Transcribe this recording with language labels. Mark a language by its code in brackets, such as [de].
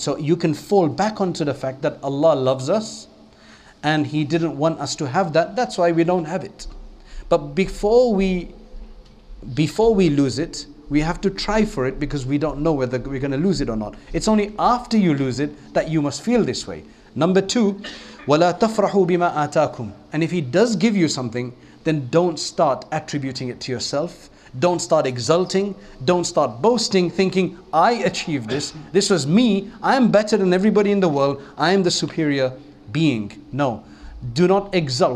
[en] So you can fall back onto the fact that Allah loves us and He didn't want us to have that. That's why we don't have it. But before we lose it, we have to try for it because we don't know whether we're going to lose it or not. It's only after you lose it that you must feel this way. Number two, [ar] وَلَا تَفْرَحُوا بِمَا آتَاكُمْ. [en] And if He does give you something, then don't start attributing it to yourself. Don't start exulting. Don't start boasting, thinking, I achieved this. This was me. I am better than everybody in the world. I am the superior being. No. Do not exult.